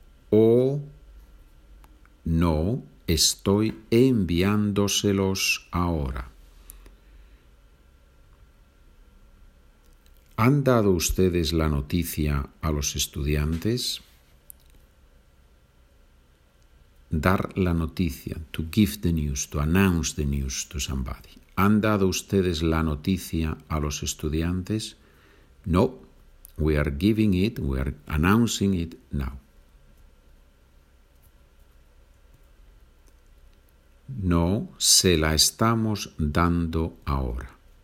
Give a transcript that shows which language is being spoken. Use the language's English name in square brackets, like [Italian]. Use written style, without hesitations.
[Spanish] O no, estoy enviándoselos ahora. ¿Han dado ustedes la noticia a los estudiantes? Dar la noticia, [English] to give the news, to announce the news to somebody. [Spanish] ¿Han dado ustedes la noticia a los estudiantes? [English] No, we are giving it, we are announcing it now. [Spanish] No, se la estamos dando ahora.